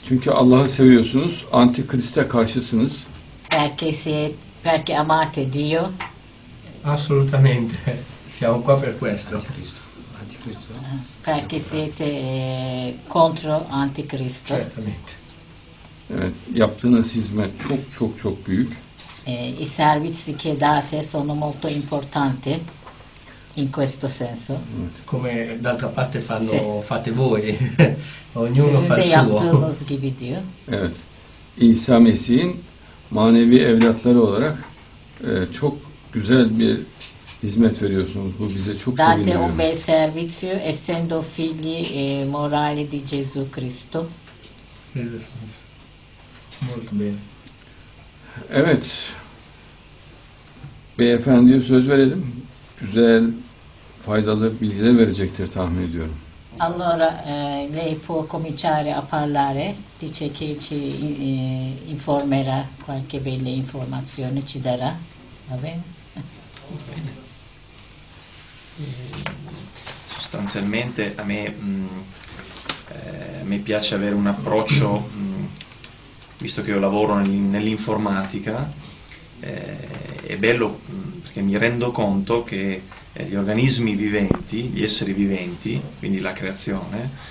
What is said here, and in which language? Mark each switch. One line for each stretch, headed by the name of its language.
Turkish: Çünkü Allah'ı seviyorsunuz, Antikrist'e karşısınız.
Italian: Perché siete, perché amate Dio? Assolutamente. Siamo qua per questo. Anticristo. Perché siete contro Anticristo? Certamente.
Turkish: Evet, yaptığınız hizmet çok çok çok büyük.
Italian: I servizi che date sono molto importanti. In questo senso. Come d'altra parte fanno se, fate voi. Ognuno fa il suo.
Turkish: Yaptığınız gibi diyor. Evet. İsa Mesih'in manevi evlatları olarak çok güzel bir hizmet veriyorsunuz. Bu bize çok sevindiriyor.
Italian: Date un bel servizio essendo figli morali di Gesù Cristo.
Turkish: Evet. Beyefendiye söz verelim. Güzel faydalı bilgiler verecektir tahmin ediyorum.
Italian: Allora lei può cominciare a parlare, dice che ci informerà qualche belle informazioni, ci darà, va bene? Sostanzialmente a me mi piace avere un approccio, visto che io lavoro nell'informatica, è bello perché mi rendo conto che gli organismi viventi, gli esseri viventi, quindi la creazione,